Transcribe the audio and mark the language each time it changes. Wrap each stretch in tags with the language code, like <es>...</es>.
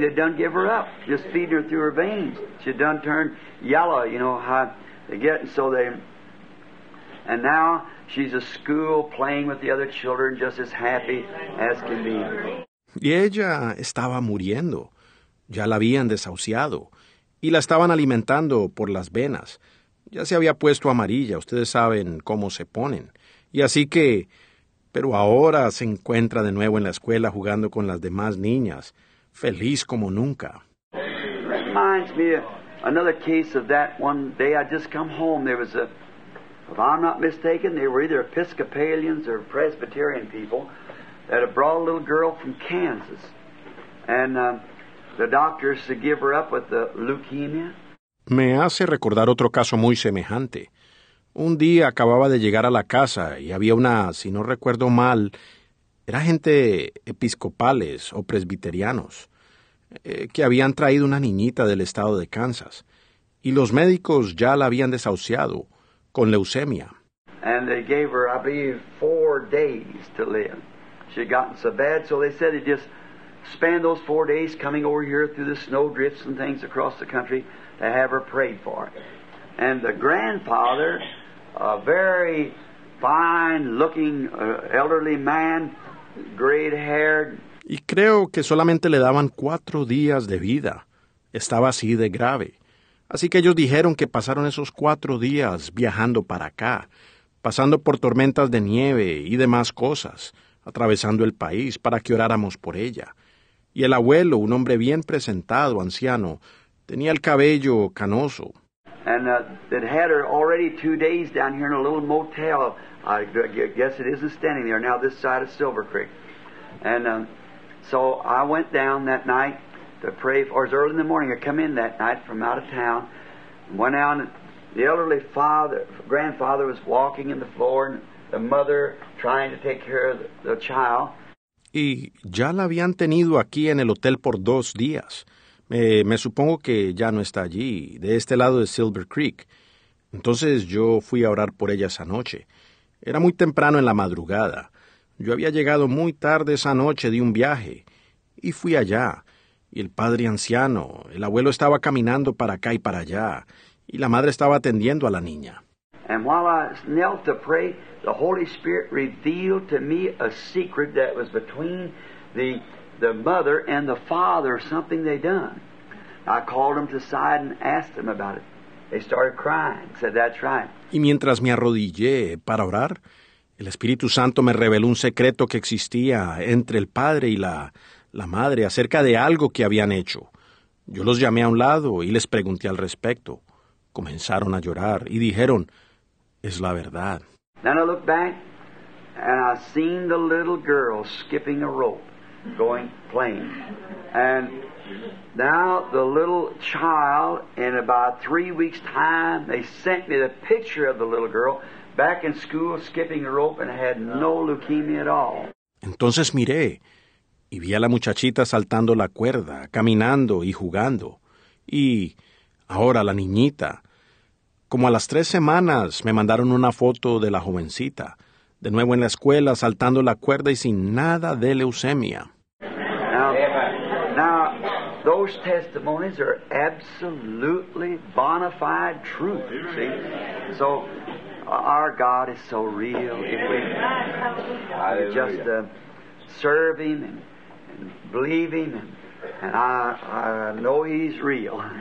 <en>They'd done give her up, just feeding her through her veins. She'd done turned yellow, you know how they get. And so they, and now she's at school playing with the other children, just as happy as can be.</en> <es>Y ella estaba muriendo. Ya la habían desahuciado. Y la estaban alimentando por las venas. Ya se había puesto amarilla. Ustedes saben cómo se ponen. Y así que pero ahora se encuentra de nuevo en la escuela jugando con las demás niñas, feliz como nunca.</es> <en>Reminds me of another case of that one day I just come home. There was a, if I'm not mistaken, they were either Episcopalians or Presbyterian people that had brought a little girl from Kansas. And the doctors to give her up with the leukemia.</en> <es>Me hace recordar otro caso muy semejante. Un día acababa de llegar a la casa y había una, si no recuerdo mal, era gente episcopales o presbiterianos, que habían traído una niñita del estado de Kansas. Y los médicos ya la habían desahuciado con leucemia.</es> <en>And they gave her, I believe, 4 days to live. She had gotten so bad, so they said they'd just spend those 4 days coming over here through the snow drifts and things across the country to have her prayed for. And the grandfather, a very fine-looking elderly man, gray-haired.</en> <es>Y creo que solamente le daban 4 días de vida. Estaba así de grave. Así que ellos dijeron que pasaron esos 4 días viajando para acá, pasando por tormentas de nieve y demás cosas, atravesando el país para que oráramos por ella. Y el abuelo, un hombre bien presentado, anciano, tenía el cabello canoso.</es> <en>And they'd had her already 2 days down here in a little motel. I guess it isn't standing there now, this side of Silver Creek. And so I went down that night to pray for, or it was early in the morning. I come in that night from out of town. Went out, and the elderly father, grandfather was walking in the floor, and the mother trying to take care of the child.</en> <es>Y ya la habían tenido aquí en el hotel por 2 días. Me supongo que ya no está allí, de este lado de Silver Creek. Entonces yo fui a orar por ella esa noche. Era muy temprano en la madrugada. Yo había llegado muy tarde esa noche de un viaje y fui allá. Y el padre anciano, el abuelo estaba caminando para acá y para allá. Y la madre estaba atendiendo a la niña.</es> <en>And while I knelt to pray, the Holy Spirit revealed to me a secret that was between the mother and the father, something they done. I called them to side and asked them about it. They started crying, said, that's right.</en> <es>Y mientras me arrodillé para orar, el Espíritu Santo me reveló un secreto que existía entre el padre y la madre acerca de algo que habían hecho. Yo los llamé a un lado y les pregunté al respecto. Comenzaron a llorar y dijeron, es la verdad.</es> <en>Then I looked back and I seen the little girl skipping a rope, going playing. And now the little child, in about 3 weeks' time, they sent me the picture of the little girl back in school skipping a rope and had no leukemia at all.</en> <es>Entonces miré y vi a la muchachita saltando la cuerda, caminando y jugando. Y ahora la niñita. Como a las 3 semanas me mandaron una foto de la jovencita, de nuevo en la escuela, saltando la cuerda y sin nada de leucemia.</es> <en>Now, those testimonies are absolutely bona fide truth, see? So, our God is so real. If we just serve Him and believe Him, and I know He's real.</en>